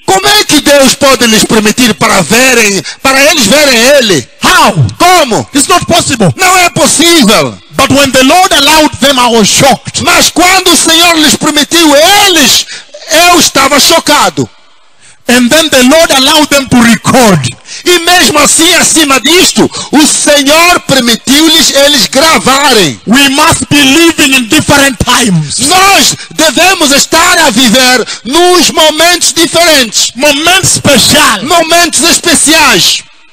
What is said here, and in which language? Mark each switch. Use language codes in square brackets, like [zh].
[pt] Como é que Deus pode lhes permitir para eles verem Ele? [en] How? [pt] Como? [en] It's not possible. [pt] Não é possível. [en] But when the Lord allowed them, I was shocked. [pt] Mas quando o Senhor lhes permitiu eles, eu estava chocado. [en] And then the Lord allowed them to record. [pt] E mesmo assim, acima disto, o Senhor permitiu-lhes eles gravarem. [en] We must be living in different times. [pt] Nós devemos estar a viver nos momentos diferentes. Momentos especiais. Momentos especiais.